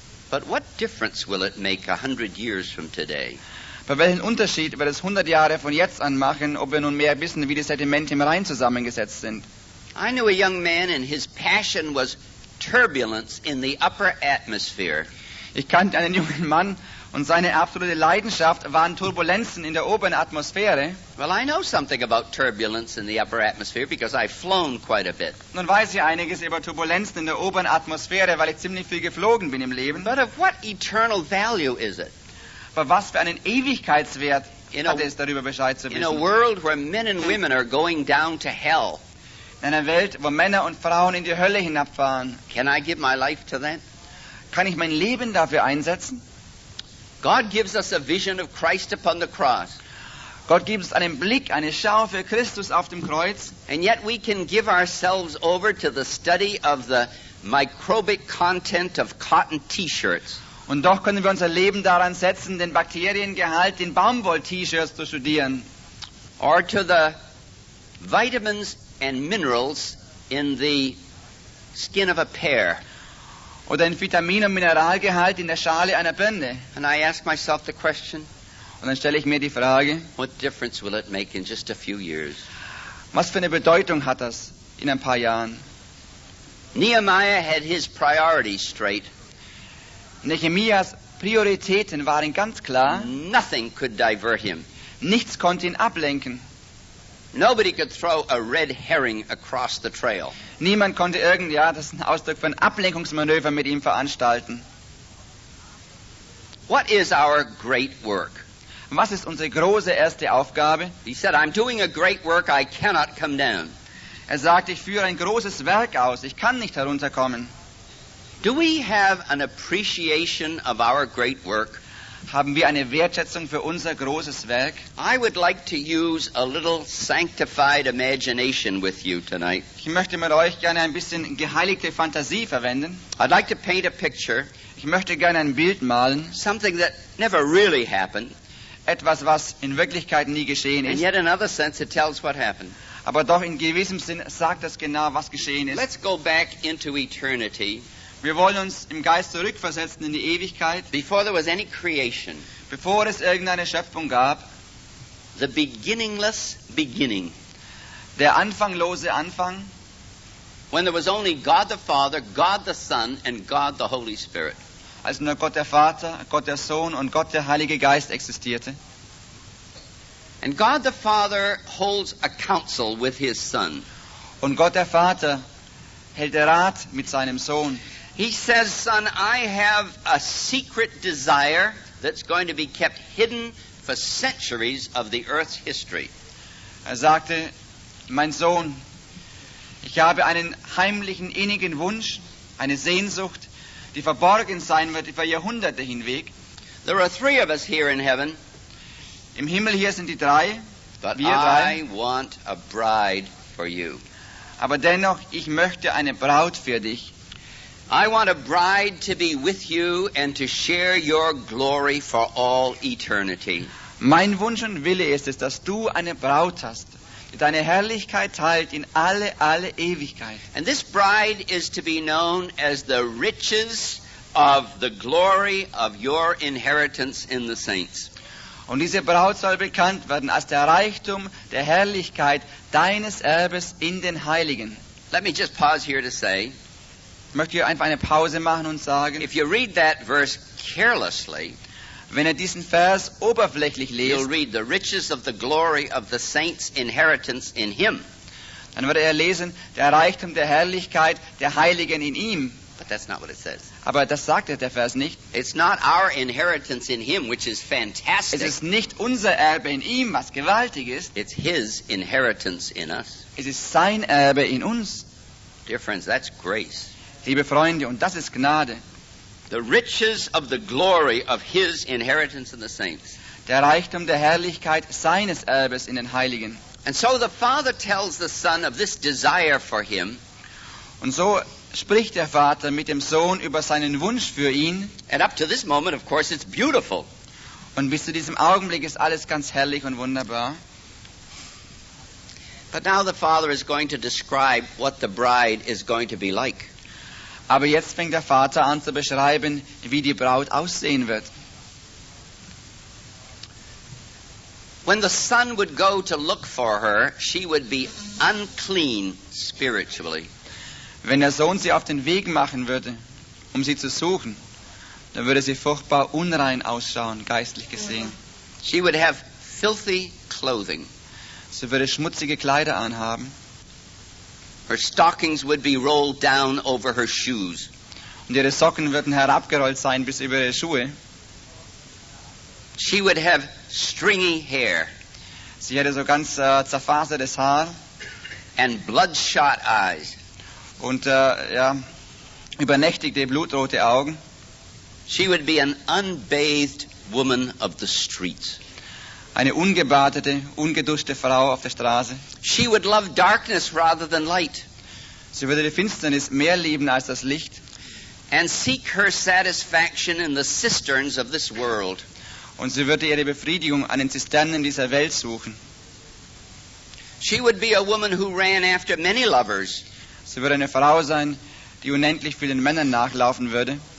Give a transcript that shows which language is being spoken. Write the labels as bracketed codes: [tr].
[en] But what difference will it make 100 years from today? [de] Bei welchem Unterschied wird es 100 Jahre von jetzt an machen, ob wir nun mehr wissen, wie die Sedimente im Rhein zusammengesetzt sind? [en] I knew a young man and his passion was turbulence in the upper atmosphere. [de] Ich kannte einen jungen Mann und seine absolute Leidenschaft waren Turbulenzen in der oberen Atmosphäre. [en] Well, I know something about turbulence in the upper atmosphere because I've flown quite a bit. [de] Nun weiß ich einiges über Turbulenzen in der oberen Atmosphäre, weil ich ziemlich viel geflogen bin im Leben. [en] But of what eternal value is it? [de] Aber was für einen Ewigkeitswert hat es, darüber Bescheid zu wissen? [en] In a world where men and women are going down to hell. [de] In einer Welt, wo Männer und Frauen in die Hölle hinabfahren. [en] Can I give my life to that? [de] Kann ich mein Leben dafür einsetzen? [en] God gives us a vision of Christ upon the cross. [de] Gott gibt uns einen Blick, eine Schau für Christus auf dem Kreuz. [en] And yet we can give ourselves over to the study of the microbic content of cotton T-shirts. [de] Und doch können wir unser Leben daran setzen, den Bakteriengehalt in Baumwoll-T-Shirts zu studieren. [en] Or to the vitamins and minerals in the skin of a pear. [de] Oder den Vitamin- und Mineralgehalt in der Schale einer Birne. [en] And I ask myself the question. [de] Und dann stelle ich mir die Frage. [en] What difference will it make in just a few years? [de] Was für eine Bedeutung hat das in ein paar Jahren? [en] Nehemiah had his priorities straight. [de] Nehemias Prioritäten waren ganz klar. [en] Nothing could divert him. [de] Nichts konnte ihn ablenken. [en] Nobody could throw a red herring across the trail. [de] Niemand konnte das ist ein Ausdruck von Ablenkungsmanöver mit ihm veranstalten. [en] What is our great work? [de] Was ist unsere große erste Aufgabe? [en] He said, I'm doing a great work, I cannot come down. [de] Er sagt, ich führe ein großes Werk aus, ich kann nicht herunterkommen. [en] Do we have an appreciation of our great work? [de] Haben wir eine Wertschätzung für unser großes Werk? [en] I would like to use a little sanctified imagination with you tonight. [de] Ich möchte mit euch gerne ein bisschen geheiligte Fantasie verwenden. [en] I'd like to paint a picture. [de] Ich möchte gerne ein Bild malen. [en] Something that never really happened. [de] Etwas, was in Wirklichkeit nie geschehen ist. [en] And yet another sense it tells what happened. [de] Aber doch in gewissem Sinn sagt das genau, was geschehen ist. [en] Let's go back into eternity. [de] Wir wollen uns im Geist zurückversetzen in die Ewigkeit. [en] Before there was any creation. [de] Bevor es irgendeine Schöpfung gab. [en] The beginningless beginning. [de] Der anfanglose Anfang. [en] When there was only God the Father, God the Son, and God the Holy Spirit. [de] Als nur Gott der Vater, Gott der Sohn und Gott der Heilige Geist existierte. [en] And God the Father holds a counsel with his Son. [de] Und Gott der Vater hält Rat mit seinem Sohn. [en] He says, Son, I have a secret desire that's going to be kept hidden for centuries of the earth's history. [de] Er sagte, mein Sohn, ich habe einen heimlichen, innigen Wunsch, eine Sehnsucht, die verborgen sein wird über Jahrhunderte hinweg. [en] There are three of us here in heaven. [de] Im Himmel hier sind die drei. [en] But [de] wir drei. [en] I want a bride for you. [de] Aber dennoch, ich möchte eine Braut für dich. [en] I want a bride to be with you and to share your glory for all eternity. [de] Mein Wunsch und Wille ist es, dass du eine Braut hast, die deine Herrlichkeit teilt in alle Ewigkeit. [en] And this bride is to be known as the riches of the glory of your inheritance in the saints. [de] Und diese Braut soll bekannt werden als der Reichtum der Herrlichkeit deines Erbes in den Heiligen. [en] Let me just pause here to say, [de] möchte ich einfach eine Pause machen und sagen, [en] if you read that verse carelessly, [de] wenn ihr diesen Vers oberflächlich lest, [en] you'll read the riches of the glory of the saints' inheritance in him. [de] Dann wird er lesen, der Reichtum der Herrlichkeit der Heiligen in ihm. [en] But that's not what it says. [de] Aber das sagt der Vers nicht. [en] It's not our inheritance in him, which is fantastic. [de] Es ist nicht unser Erbe in ihm, was gewaltig ist. [en] It's his inheritance in us. [de] Es ist sein Erbe in uns. [en] Dear friends, that's grace. [de] Liebe Freunde, und das ist Gnade. [en] The riches of the glory of his inheritance in the saints. [de] Der Reichtum der Herrlichkeit seines Erbes in den Heiligen. [en] And so the Father tells the Son of this desire for him. [de] Und so spricht der Vater mit dem Sohn über seinen Wunsch für ihn. [en] And up to this moment, of course, it's beautiful. [de] Und bis zu diesem Augenblick ist alles ganz herrlich und wunderbar. [en] But now the Father is going to describe what the bride is going to be like. [de] Aber jetzt fängt der Vater an zu beschreiben, wie die Braut aussehen wird. [en] When the Son would go to look for her, she would be unclean spiritually. [de] Wenn der Sohn sie auf den Weg machen würde, um sie zu suchen, dann würde sie furchtbar unrein ausschauen, geistlich gesehen. [en] She would have filthy clothing. [de] Sie würde schmutzige Kleider anhaben. [en] Her stockings would be rolled down over her shoes. [de] Und ihre Socken würden herabgerollt sein bis über ihre Schuhe. [en] She would have stringy hair. [de] Sie hätte so ganz zerfasertes Haar. [en] And bloodshot eyes. [de] Und übernächtigte blutrote Augen. [en] She would be an unbathed woman of the streets. [de] Eine ungebadete, ungeduschte Frau auf der Straße. [en] She would love darkness rather than light. [de] Sie würde die Finsternis mehr lieben als das Licht. [en] And seek her satisfaction in the cisterns of this world. [de] Und sie würde ihre Befriedigung an den Zisternen dieser Welt suchen. [en] She would be a woman who ran after many lovers. [de] Sie würde eine Frau sein, die unendlich vielen Männern nachlaufen würde.